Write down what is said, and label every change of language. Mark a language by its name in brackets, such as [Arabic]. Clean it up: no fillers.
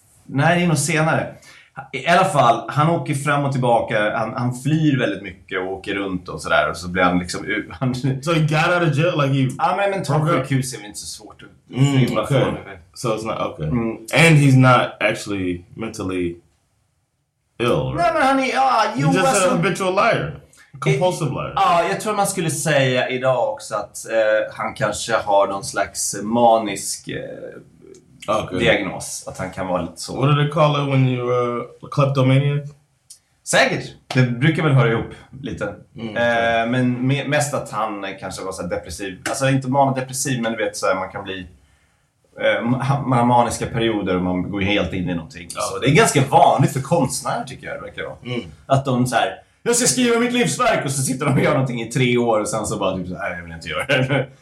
[Swedish] Nej, det är nog senare. I alla fall, han åker fram och tillbaka. Han flyr väldigt mycket och åker runt och sådär. Och så blir han liksom... [English] So he got out of jail? Like he... [Swedish] Ja, men mentalsjukhus är inte så svårt att [English] flyga från. So it's not... Okay. Mm. And he's not actually mentally ill, right? [Swedish] Nej, men han är... [English] He's just a habitual liar. Compulsive liar. [Swedish] Ja, jag tror man skulle säga idag också att han kanske har någon slags manisk... [English] Okay. [Swedish] Diagnos, att han kan vara lite så. [English] What do they call it when you're a kleptomaniac? [Swedish] Säkert, det brukar väl höra ihop lite. Okay. Men mest att han kanske var så depressiv. Alltså inte manodepressiv, men du vet så här, man kan bli man har maniska perioder och man går helt in i någonting. Okay. Så det är ganska vanligt för konstnärer, tycker jag, det verkar vara. Att de så här, jag ska skriva mitt livsverk, och så sitter de och gör någonting i 3 år, och sen så bara typ så här, jag vill inte göra det.